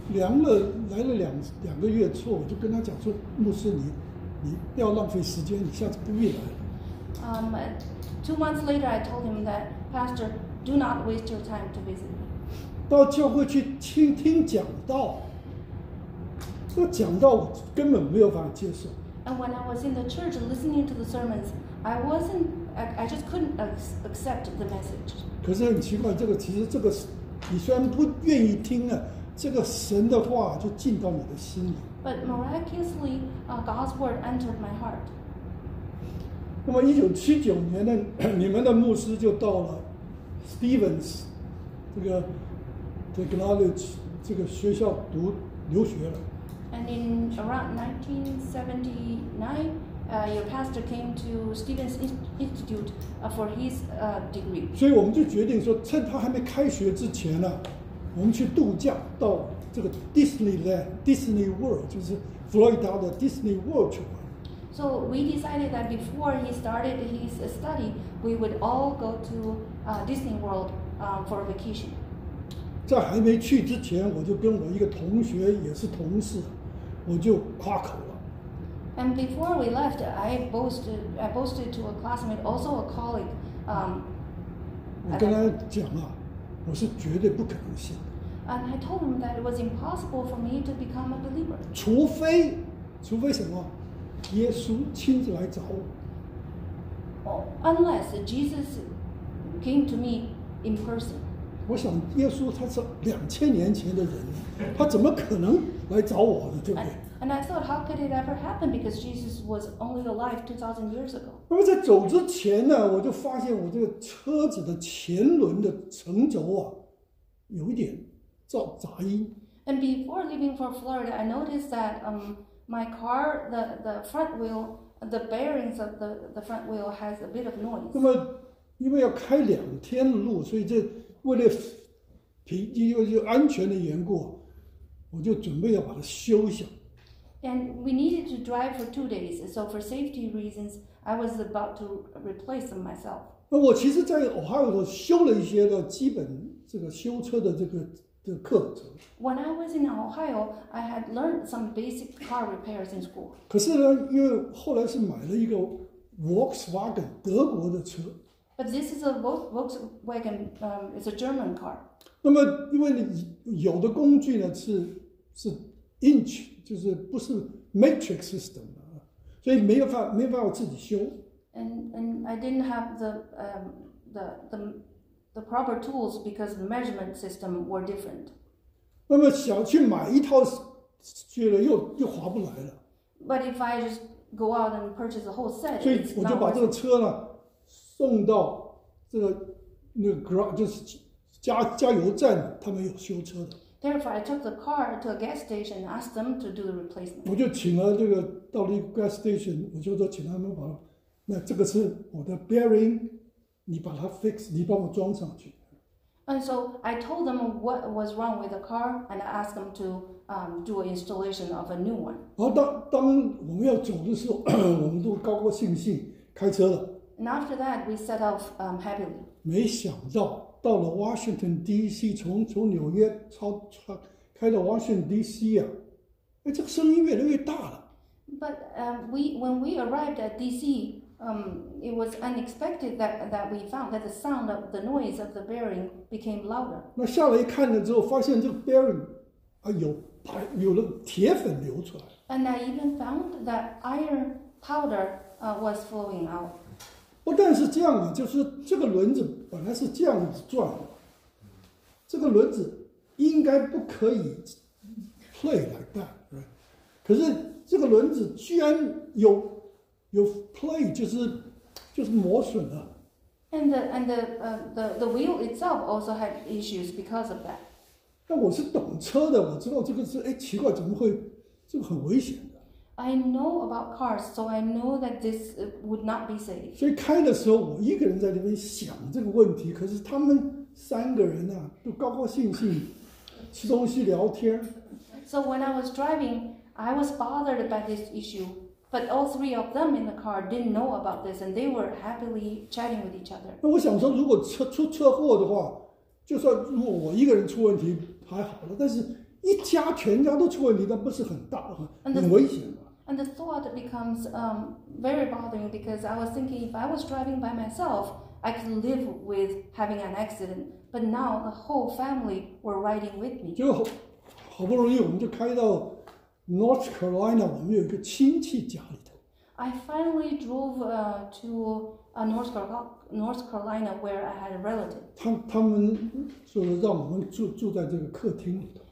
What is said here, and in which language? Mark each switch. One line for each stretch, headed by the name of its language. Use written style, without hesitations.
Chinese: 来了两个月之后，我就跟他讲说，牧师你不要浪费时间，你下次不必来了。
English: Two months later, I told him that Pastor. Do not waste your time to visit me.
Chinese: 到教会去听讲道，这讲道我根本没有办法接受。
English: And when I was in the church listening to the sermons, I just couldn't accept the message.
Chinese: 可是很奇怪，这个其实这个，你虽然不愿意听啊，这个神的话就进到你的心里。
English: But miraculously, God's word entered my heart.
Chinese: 那么1979年呢，你们的牧师就到了。 Stevens 这个 Technology 这个学校读留学了。
English: And in around 1979, your pastor came to Stevens Institute for his degree.
Chinese: 所以我们就决定说，趁他还没开学之前呢，我们去度假到这个 Disneyland, Disney World, 就是 Florida 的 Disney World 去玩。
English: So we decided that before he started his study, we would all go to Disney World for vacation.
Chinese: 在还没去之前，我就跟我一个同学，也是同事，我就夸口了。
English: And before we left, I boasted to a classmate, also a colleague.
Chinese: 我跟他讲啊，我是绝对不可能信。
English: And I told him that it was impossible for me to become a believer.
Chinese: 除非什么？耶稣亲自来找我。
English: Unless Jesus came to me in person.
Chinese: 我想耶稣他是2000年前的人，他怎么可能来找我呢？对不对
English: ？And I thought, how could it ever happen? Because Jesus was only alive 2,000 years ago.
Chinese: 那么在走之前呢，我就发现我这个车子的前轮的橙轴啊，有一点杂音。
English: And before leaving for Florida, I noticed that my car, the front wheel, the bearings of the front wheel has a bit of noise.
Chinese: 那么，因为要开2天的路，所以这为了就安全的缘故，我就准备要把它修一下。
English: And we needed to drive for 2 days, so for safety reasons, I was about to replace them myself.
Chinese: 那我其实，在 Ohio 修了一些的基本这个修车的这个。的课程。
English: When I was in Ohio, I had learned some basic car repairs in school.
Chinese: 可是呢，因为后来是买了一个 Volkswagen 德国的车。
English: But this is a Volkswagen, it's a German car.
Chinese: 那么，因为你有的工具呢是 inch, 就是不是 metric system, 所以没办法我自己修。
English: And I didn't have the proper tools because the measurement system were different.
Chinese: 那么想去买一套去了又划不来了。
English: But if I just go out and purchase a whole set,
Chinese: 所以我就把这个车呢送到这个那个 garage 就是加油站，他们有修车的。
English: Therefore, I took the car to a gas station and asked them to do the replacement.
Chinese: 我就请了这个到了一个 gas station, 我就说请他们把那这个是我的 bearing. 你把它 fix, 你帮我装上去。
English: And so I told them what was wrong with the car and asked them to do an installation of a new one.
Chinese: 然后当我们要走的时候，我们都高高兴兴开车了。
English: And after that, we set off happily.
Chinese: 没想到到了 Washington D.C. 从纽约开到 Washington D.C. 啊，哎，这个声音越来越大了。
English: But when we arrived at D.C. It was unexpected that we found that the sound of the noise of the bearing became louder.
Chinese: 那下来看了之后，发现这个 bearing 啊有白有了铁粉流出来。
English: And I even found that iron powder was flowing out.
Chinese: 不但是这样啊，就是这个轮子本来是这样子转，这个轮子应该不可以
English: play like that, right?
Chinese: 可是这个轮子居然有。
English: Your play
Chinese: 就是磨损了。
English: And the wheel itself also had issues because of that.
Chinese: 但我是懂车的，我知道这个是哎奇怪，怎么会这个很危险的。
English: I know about cars, so I know that this would not be safe.
Chinese: 所以开的时候，我一个人在那边想这个问题，可是他们三个人呢，都高高兴兴吃东西聊天。
English: So when I was driving, I was bothered by this issue. But all three of them in the car didn't know about this, and they were happily chatting with each other.
Chinese: 那我想说，如果车出车祸的话，就算如果我一个人出问题还好了，但是一家全家都出问题，那不是很大很危险吗
English: ？And the thought becomes very bothering because I was thinking if I was driving by myself, I could live with having an accident. But now the whole family were riding with me.
Chinese: 就好不容易我们就开到。North Carolina, 我们有一个亲戚家里头。
English: I finally drove to a North Carolina where I had a relative.
Chinese: 他们就是让我们住在这个客厅里头。